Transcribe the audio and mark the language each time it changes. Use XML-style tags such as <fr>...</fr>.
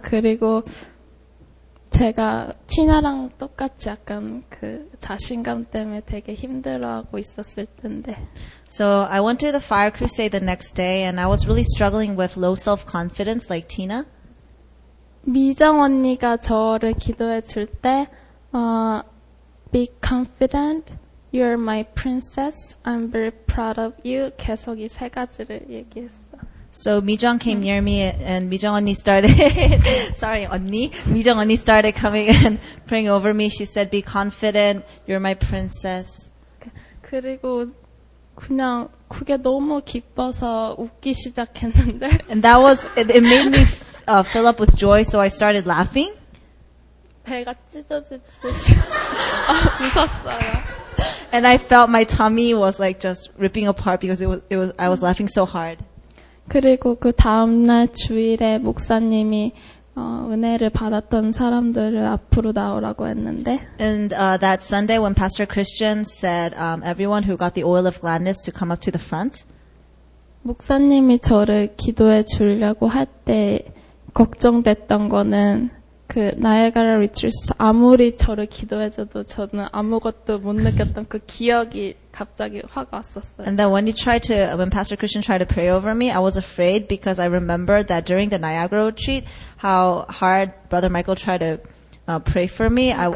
<ko>그리고, 제가 티나랑 똑같이 약간 그 자신감 때문에 되게 힘들어하고 있었을 텐데.</ko> <en>So I went to the Fire Crusade the next day and I was really struggling with low self-confidence like Tina.</en> <ko>미정 언니가 저를 기도해 줄 때</ko> <en>be confident, you're my princess, I'm very proud of you</en> <ko>계속 이 세 가지를 얘기했어.</ko> <en>So Mijeong came near me and Mijeong Eunni started sorry, Eunni. Mijeong Eunni started coming and praying over me. She said, "Be confident. You're my princess."</en> <ko>그리고 그냥 그게 너무 기뻐서 웃기 시작했는데.</ko> <en>And that was it made me fill up with joy, so I started laughing.</en> <ko>배가 찢어지듯이 웃었어요.</ko> <en>And I felt my tummy was like just ripping apart because I was laughing so hard.</en> <ko>그리고 그 다음 날 주일에 목사님이 은혜를 받았던 사람들을 앞으로 나오라고 했는데.</ko> <en>And that Sunday when Pastor Christian said everyone who got the oil of gladness to come up to the front.</en> <ko>목사님이 저를 기도해 주려고 할 때 걱정됐던 거는 그 나이아가라 리트리스 아무리 저를 기도해 줘도 저는 아무것도 못 느꼈던 그 기억이 갑자기 화가 왔었어요.</ko> <en>And then when Pastor Christian tried to pray over me, I was afraid because I remembered that during the Niagara retreat, how hard Brother Michael tried to pray for me.</en>